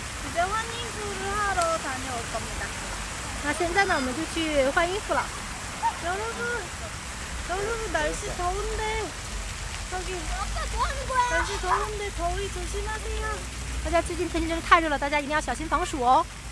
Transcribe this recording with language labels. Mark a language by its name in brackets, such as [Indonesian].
[Korean] 이제한의수를하러다녀올겁니다。 [Chinese] 那现在呢，我们就去换衣服了。 [Korean] 여러분날씨더운데저기 뭐하는거야？ 날씨더운데더위조심하세요。 [Chinese] 大家最近天气真是太热了，大家一定要小心防暑哦。